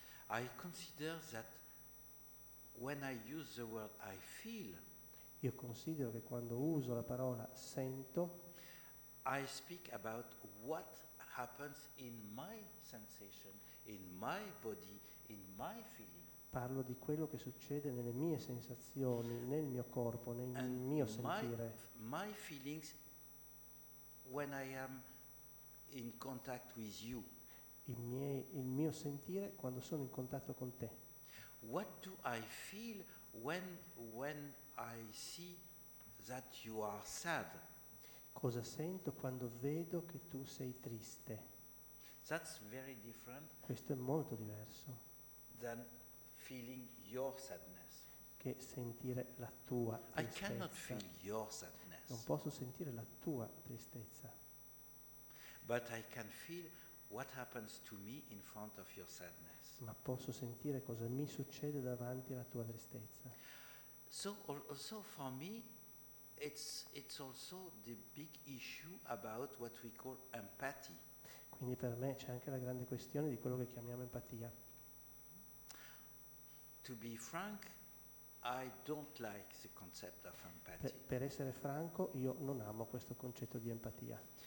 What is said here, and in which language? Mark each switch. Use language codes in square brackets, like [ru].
[en] I consider that when I use the word I feel, [it] io considero che quando uso la parola sento, [en] I speak about what happens in my sensation, in my body, in my feeling. [it] Parlo di quello che succede nelle mie sensazioni, nel mio corpo, nel [en] and [it] mio sentire. [en] My feelings when I am in contact with you. [it] Il mio sentire quando sono in contatto con te. [en] What do I feel when I see that you are sad? [it] Cosa sento quando vedo che tu sei triste? [en] That's very different. [it] Questo è molto diverso. [en] Than feeling your sadness. [it] Che sentire la tua tristezza. [en] I cannot feel your sadness. [it] Non posso sentire la tua tristezza. [en] But I can feel what happens to me in front of your sadness. [it] Ma posso sentire cosa mi succede davanti alla tua tristezza. [en] So also for me it's also the big issue about what we call empathy. [it] Quindi per me c'è anche la grande questione di quello che chiamiamo empatia. [en] To be frank, I don't like the concept of empathy. [it] Per essere franco, io non amo questo concetto di empatia.